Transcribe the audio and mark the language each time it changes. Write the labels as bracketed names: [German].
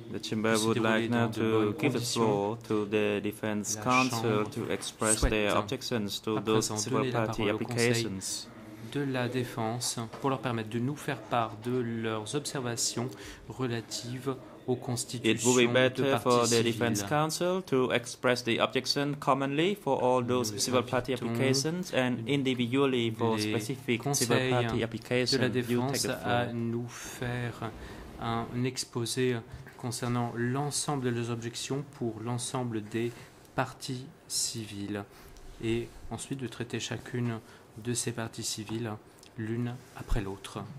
[English] the chamber would like now to give the floor to the defense council to express their objections to those civil party applications [French] de la défense pour leur permettre de nous faire part de leurs observations relatives aux constitutions. [English] It would be better for the defense council to express the objection commonly for all those civil party applications and individually for specific civil party applications. [French] De la défense à nous faire un exposé concernant l'ensemble de leurs objections pour l'ensemble des parties civiles et ensuite de traiter chacune de ces parties civiles l'une après l'autre.